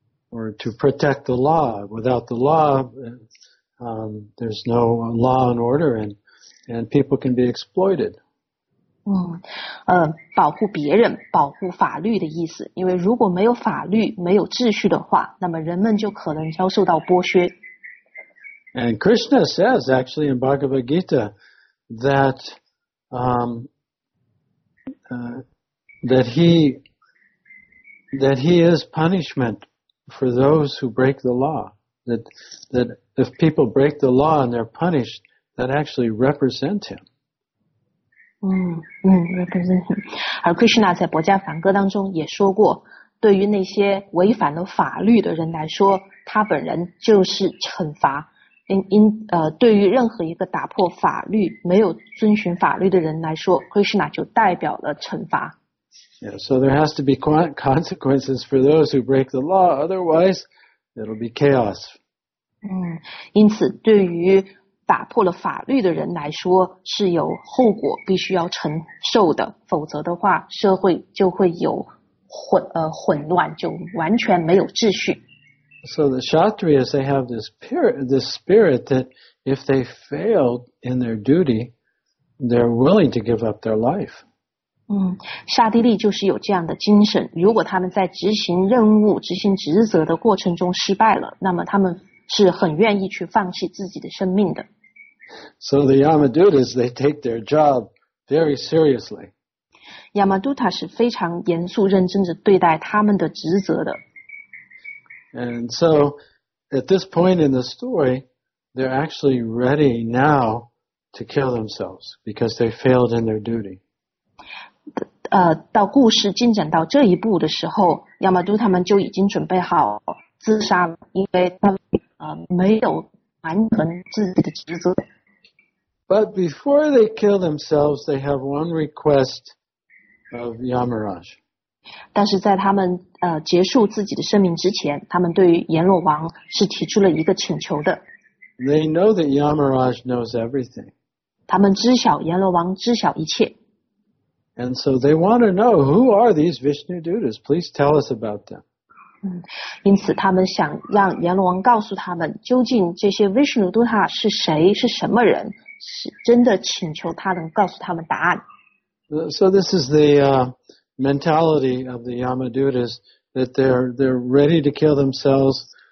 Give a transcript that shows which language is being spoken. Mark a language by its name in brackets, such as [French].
[English] Or to protect the law, without the law,there's no law and order, and people can be exploited. [Chinese] 保护别人，保护法律的意思。因为如果没有法律，没有秩序的话，那么人们就可能遭受到剥削。 [English] And Krishna says, actually, in Bhagavad Gita, that that he is punishment for those who break the law. That if people break the law and they're punished, that actually represents him. Represents him. [Chinese] 而 Krishna 在伯加梵歌当中也说过，对于那些违反了法律的人来说，他本人就是惩罚。对于任何一个打破法律、没有遵循法律的人来说 ，Krishna 就代表了惩罚。 [English] Yeah, so there has to be consequences for those who break the law. Otherwise, it'll be chaos. [Chinese] 因此对于打破了法律的人来说是有后果必须要承受的否则的话社会就会有 混乱就完全没有秩序 [English] So the Kshatriyas they have this spirit that if they fail in their duty they're willing to give up their life [Chinese] 沙地利就是有这样的精神如果他们在执行任务执行职责的过程中失败了那么他们是很愿意去放弃自己的生命的。 [English] So the Yamadutas, they take their job very seriously. [Chinese] Yamaduta 是非常严肃认真地对待他们的职责的。 [English] And so, at this point in the story, they're actually ready now to kill themselves because they failed in their duty. [Chinese] 到故事进展到这一步的时候 ,Yamaduta 们就已经准备好自杀了因为他们没有完成自己的职责。 [English] But before they kill themselves, they have one request of Yamaraj. [Chinese] 但是在他们结束自己的生命之前，他们对于阎罗王是提出了一个请求的。 [English] They know that Yamaraj knows everything. [Chinese] 他们知晓阎罗王知晓一切。 [English] And so they want to know who are these Vishnu Dutas. Please tell us about them. [Chinese] 因此他们想让阎罗王告诉他们究竟这些 Vishnu Duta 是谁是什么人是真的请求他能告诉他们答案 [English] So this is the mentality of the Yamadutas that they're ready to kill themselves